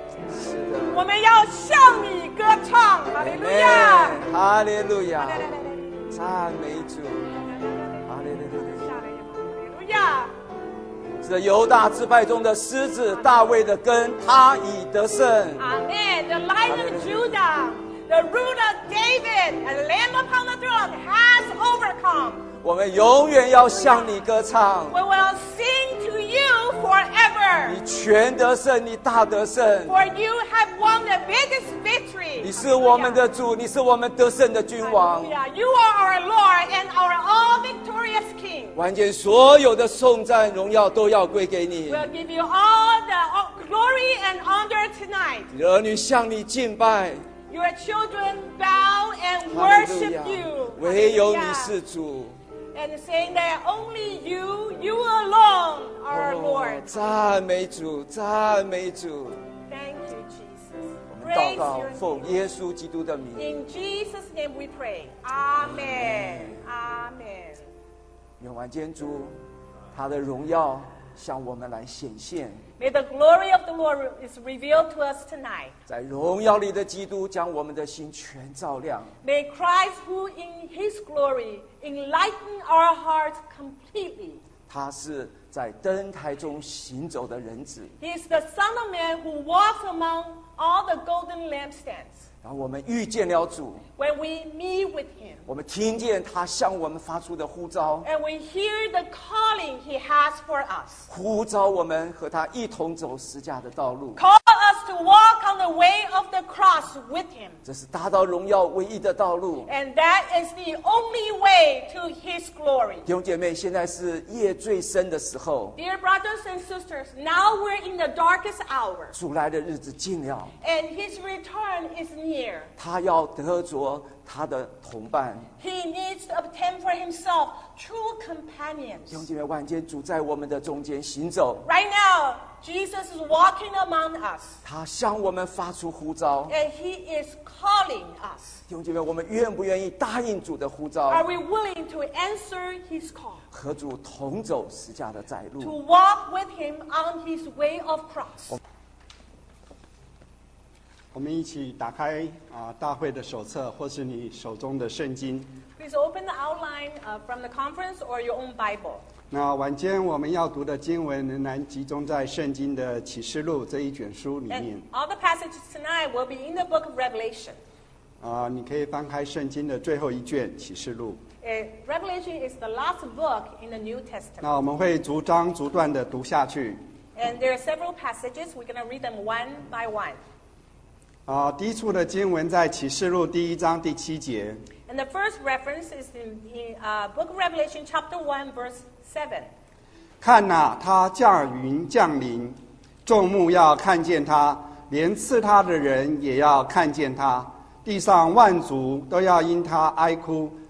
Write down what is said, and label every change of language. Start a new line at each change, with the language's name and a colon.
Chinese: 是的，我们要向你歌唱，哈利路亚，哈利路亚，赞美主，哈利路亚，哈利路亚。是的，犹大支派中的狮子，大卫的根，他已得胜。阿门。
English: The Lion of Judah, the Root of David, and Lamb upon the throne has overcome.
Chinese: 我们永远要向你歌唱。
English: We will sing to you forever.
Chinese: 你全得胜，你大得胜。
English: For you have won the biggest victory.
Chinese: 你是我们的主，你是我们得胜的君王。
English: You are our Lord and our all victorious King.
Chinese: 完全所有的颂赞荣耀都要归给你。
English: We'll give you all the glory and honor tonight.
Chinese: 你的儿女向你敬拜。
English: Your children bow and worship you.
Chinese: 唯有你是主。
English: And saying that only you alone are our Lord.
Chinese: 赞美主，赞美主。
English: Thank you, Jesus.
Chinese: 我们祷告，奉耶稣基督的名。
English: In Jesus' name we pray. Amen. Amen.
Chinese: 愿万军主，他的荣耀向我们来显现。
English: May the glory of the Lord is revealed to us tonight.
Chinese: 在荣耀里的基督将我们的心全照亮。
English: May Christ, who in His glory enlighten our hearts completely.
Chinese: 他是在灯台中行走的人子。
English: He is the Son of Man who walks among all the golden lampstands.
Chinese: 然后我们遇见了主。
English: When we meet with Him.
Chinese: 我们听见他向我们发出的呼召。
English: And we hear the calling He has for us.
Chinese: 呼召我们和他一同走十字架的道路。
English: Call us to walk on the way of the cross with Him.
Chinese: 这是达到荣耀唯一的道路。
English: And that is the only way to His glory.
Chinese: 弟兄姐妹，现在是夜最深的时候。
English: Dear brothers and sisters, now we're in the darkest hour.
Chinese: 主来的日子近了。
English: And His return is near.
Chinese: 他要得主他的同伴。
English: He needs to obtain for himself true companions.
Chinese: 弟兄姐妹，万间主在我们的中间行走。
English: Right now, Jesus is walking among us.
Chinese: 他向我们发出呼召。
English: And he is calling us.
Chinese: 弟兄姐妹，我们愿不愿意答应主的呼召
English: ？Are we willing to answer his call?
Chinese: 和主同走十架的窄路。
English: To walk with him on his way of cross.
Chinese: 我们一起打开大会的手册，或是你手中的圣经。
English: Please open the outline from the conference or your own Bible.
Chinese: 那晚间我们要读的经文仍然集中在圣经的启示录这一卷书里面。
English: And all the passages tonight will be in the book of Revelation.
Chinese: 你可以翻开圣经的最后一卷启示录。
English: Revelation is the last book in the New Testament.
Chinese: 那我们会逐章逐段的读下去。
English: And there are several passages. We're going to read them one by one.
Chinese: 第一处的经文在启示录第一章第七节。
English: And the first reference is Book of Revelation, chapter 1, verse 7.
Chinese: 看哪、啊，他驾云降临，众目要看见他，连刺他的人也要看见他，地上万族都要因他哀哭。